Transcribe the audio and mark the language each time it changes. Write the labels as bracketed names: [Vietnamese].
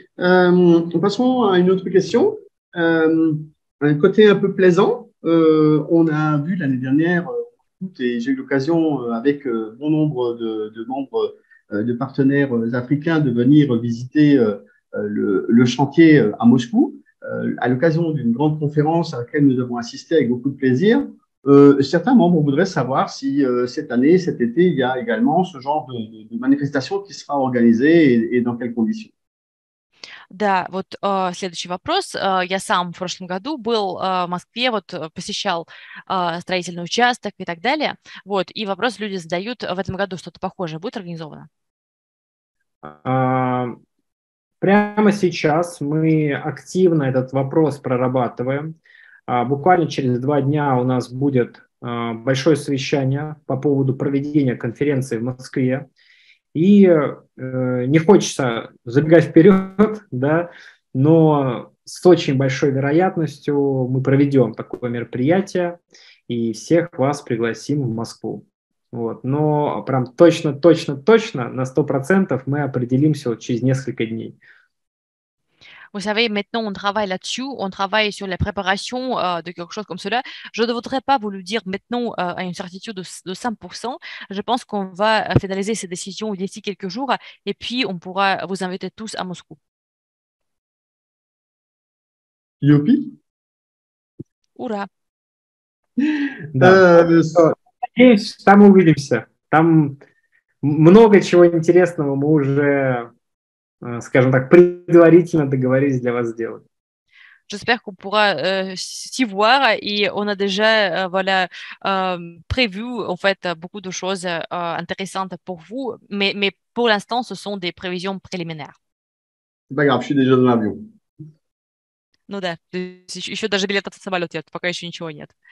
[French] Passons à une autre question. Un côté un peu plaisant, on a vu l'année dernière, et j'ai eu l'occasion avec bon nombre de membres de partenaires africains de venir visiter le chantier à Moscou, à l'occasion d'une grande conférence à laquelle nous avons assisté avec beaucoup de plaisir. Certains membres voudraient savoir si cette année, cet été, il y a également ce genre de manifestation qui sera organisée et dans quelles conditions. [Russian] Да, вот следующий вопрос. Я сам в прошлом году был в Москве, вот посещал строительный участок и так далее. Вот, и вопрос люди задают, в этом году что-то похожее будет организовано? Прямо сейчас мы активно этот вопрос прорабатываем. Буквально через два дня у нас будет большое совещание по поводу проведения конференции в Москве. И не хочется забегать вперед, да, но с очень большой вероятностью мы проведем такое мероприятие и всех вас пригласим в Москву. Вот, но прям точно на 100% мы определимся вот через несколько дней. [French] Vous savez, maintenant, on travaille là-dessus, on travaille sur la préparation de quelque chose comme cela. Je ne voudrais pas vous le dire maintenant à une certitude de 100%. Je pense qu'on va finaliser ces décisions d'ici quelques jours et puis on pourra vous inviter tous à Moscou. Yopi ? [Russian] Ура. Да. Надеюсь, там увидимся. Там много чего интересного мы уже, скажем так, предварительно договорились для вас сделать. [French] J'espère qu'on pourra s'y voir et on a déjà voilà, prévu en fait, beaucoup de choses intéressantes pour vous, mais pour l'instant, ce sont des prévisions préliminaires. C'est pas grave, je suis déjà dans l'avion. [Russian] Ну да, еще даже билета на самолет нет, пока еще ничего нет.